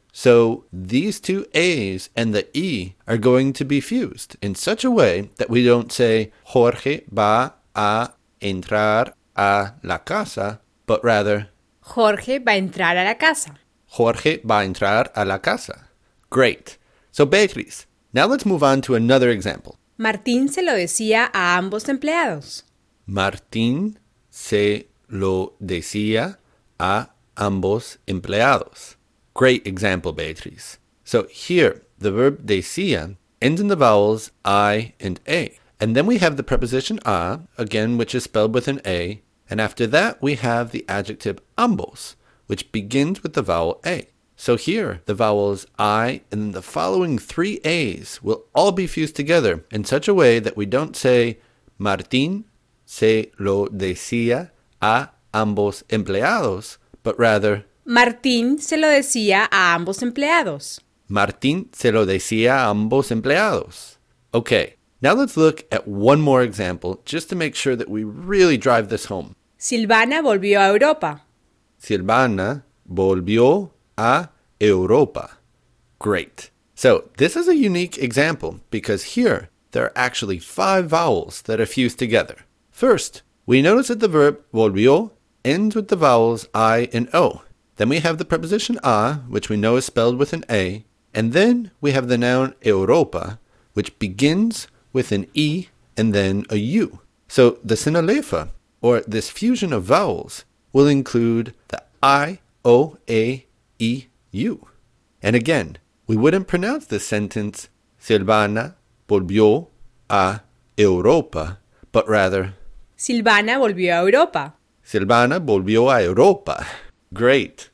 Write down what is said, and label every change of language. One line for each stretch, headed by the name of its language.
English: So, these two A's and the E are going to be fused in such a way that we don't say
Spanish: Jorge va a entrar a la casa,
English: but rather
Spanish: Jorge va a entrar a la casa. Jorge va a entrar a la casa.
English: Great. So, Beatriz, now let's move on to another example.
Spanish: Martín se lo decía a ambos empleados. Martín se lo decía a ambos empleados.
English: Great example, Beatriz. So here, the verb decía ends in the vowels I and A. And then we have the preposition a, again, which is spelled with an A. And after that, we have the adjective ambos, which begins with the vowel A. So here, the vowels I and the following three A's will all be fused together in such a way that we don't say
Spanish: Martín se lo decía a ambos empleados,
English: but rather
Spanish: Martín se lo decía a ambos empleados. Martín se lo decía a ambos empleados.
English: Okay, now let's look at one more example just to make sure that we really drive this home.
Spanish: Silvana volvió a Europa. Silvana volvió a Europa.
English: Great. So, this is a unique example because here there are actually five vowels that are fused together. First, we notice that the verb volvió ends with the vowels I and O. Then we have the preposition a, which we know is spelled with an a. And then we have the noun Europa, which begins with an e and then a u. So the sinalefa, or this fusion of vowels, will include the I, O, A, E, U. And again, we wouldn't pronounce this sentence
Spanish: Silvana volvió a Europa,
English: but rather
Spanish: Silvana volvió a Europa. Silvana volvió a Europa.
English: Great.